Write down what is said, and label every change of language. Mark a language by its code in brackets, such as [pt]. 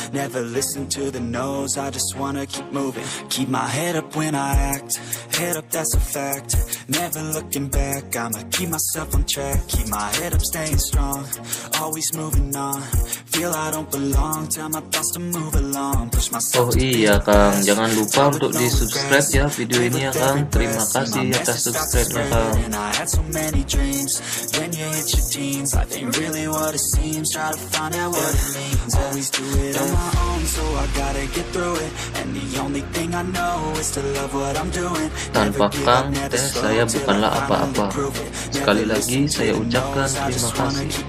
[en] Never listen to the no's, I just wanna keep moving. Keep my head up when I act, head up, that's a fact. Never looking back, I'ma keep myself on track. Keep my head up, staying strong, always moving on. Feel I don't belong, tell my thoughts to move along. Push myself. [id] Oh iya kang, jangan lupa untuk di subscribe ya video ini ya kang. Terima kasih atas subscribe-nya kang. [en] And I had so many dreams, when you hit your teens. Life ain't really what it seems, try to find out what it means. Always do it on my own, so I gotta get through it. And the only thing I know is to love what I'm doing. [id] Tanpa kang, teh saya bukanlah apa-apa. Sekali lagi saya ucapkan terima kasih.